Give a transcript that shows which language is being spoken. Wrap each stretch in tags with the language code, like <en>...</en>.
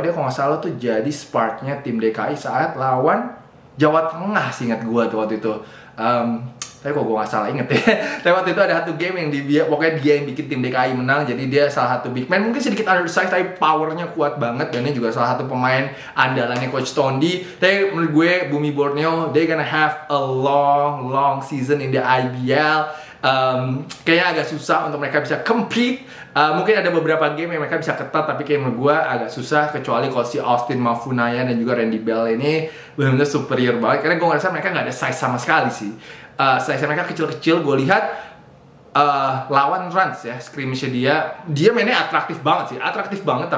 <id>Dia kalau gak salah tuh jadi sparknya tim DKI saat lawan Jawa Tengah sih ingat gue tuh waktu itu. Tapi kok gue gak salah inget ya. Tapi waktu itu ada satu game yang pokoknya dia yang bikin tim DKI menang. Jadi dia salah satu big man. Mungkin sedikit undersized tapi powernya kuat banget. Dan ini juga salah satu pemain andalannya Coach Tondi. Tapi menurut gue</id> <en>Bumi Borneo, they gonna have a long, long season in the IBL.</en> <id>Kayaknya agak susah untuk mereka bisa compete. Mungkin ada beberapa game yang mereka bisa ketat, tapi kayak menurut gue agak susah. Kecuali kalau si Austin Mofunaya dan juga Randy Bell ini benar-benar superior banget. Karena gue ngerasa mereka gak ada size sama sekali sih. Size mereka kecil-kecil, gue lihat lawan runs ya, scrimmage-nya dia mainnya atraktif banget sih, atraktif banget.</id>